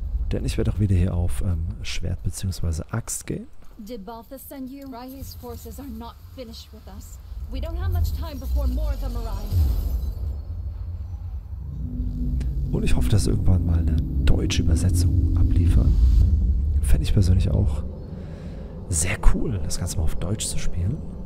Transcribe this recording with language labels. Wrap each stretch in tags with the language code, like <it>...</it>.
<de>Denn ich werde auch wieder hier auf Schwert bzw. Axt gehen.</de> <en>Did Balthus send you? Raya's forces are not finished with us. We don't have much time before more of them arrive.</en> <de>Und ich hoffe, dass sie irgendwann mal eine deutsche Übersetzung abliefern. Fände ich persönlich auch sehr cool, das Ganze mal auf Deutsch zu spielen.</de>